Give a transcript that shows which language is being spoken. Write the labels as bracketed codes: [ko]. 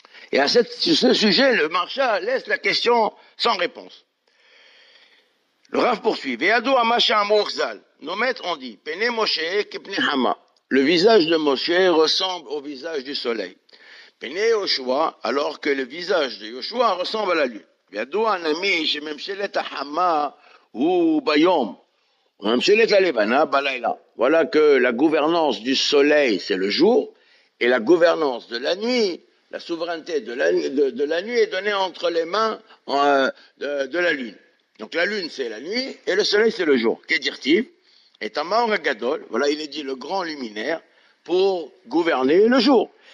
[fr] Et sur ce sujet, le Marsha laisse la question sans réponse. Le Rav poursuit. [he] Ve'ado amasha amorzal. [fr] Nos maîtres ont dit, [he] Pene Moshe kepne Hama. [fr] Le visage de Moshe ressemble au visage du soleil. Pene Yoshua, alors que le visage de Yoshua ressemble à la lune. [he] וידוע נמי שממשלת החמה הוא ביום. ממשלת הלבנה בלילה. [fr] Voilà que la gouvernance du soleil, c'est le jour, et la gouvernance de la nuit, la souveraineté de la nuit est donnée entre les mains de la lune. Donc la lune, c'est la nuit, et le soleil, c'est le jour. Kedirtiv, et Tamar Gadol, voilà, il est dit le grand luminaire, pour gouverner le jour.